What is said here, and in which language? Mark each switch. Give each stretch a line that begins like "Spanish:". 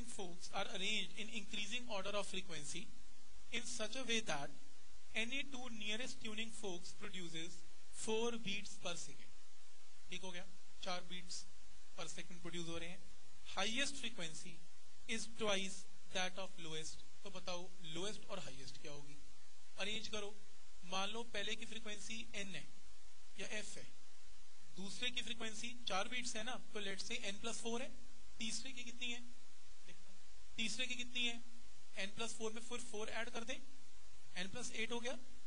English: notes are arranged in increasing order of frequency in such a way that any two nearest tuning forks produces 4 beats per second.
Hindi: ठीक हो गया, 4 beats per second produce हो रहे हैं.
English: Highest frequency is twice that of lowest.
Hindi: तो बताओ lowest और highest क्या होगी. Arrange करो, मान लो पहले की frequency n है या f है, दूसरे की frequency 4 beats है ना, तो
English: let's say
Hindi: n plus 4 है. तीसरे की कितनी है, तीसरे की कितनी है, n plus 4 में 4 add कर दें, n plus 8 हो गया.